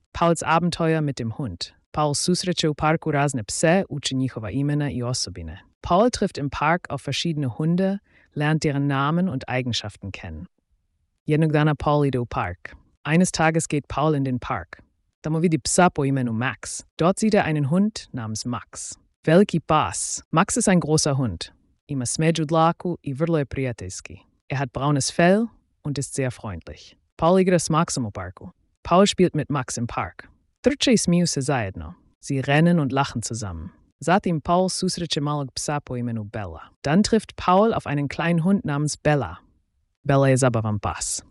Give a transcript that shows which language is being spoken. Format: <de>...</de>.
<de>Paulets abenteuer mit dem Hund.</de> <hr>Paul susreće u parku razne pse, uči njihova imena i osobine.</hr> <de>Paul trifft im Park auf verschiedene Hunde, lernt deren Namen und Eigenschaften kennen.</de> <hr>Jednog dana Paul ide u park.</hr> <de>Eines Tages geht Paul in den Park.</de> <hr>Tamo vidi psa po imenu Max.</hr> <de>Dort sieht einen Hund namens Max.</de> <hr>Veliki pas.</hr> <de>Max ist ein großer Hund.</de> <hr>Ima smeđu dlaku i vrlo je prijateljski.</hr> <de>Hat braunes Fell und ist sehr freundlich.</de> <hr>Paul igra s Maxom u parku.</hr> <de>Paul spielt mit Max im Park.</de> <hr>Trče i smiju se zajedno.</hr> <de>Sie rennen und lachen zusammen.</de> <hr>Zatim Paul susreće malog psa po imenu Bella.</hr> <de>Dann trifft Paul auf einen kleinen Hund namens Bella.</de> <hr>Bella je zabavan pas.</hr>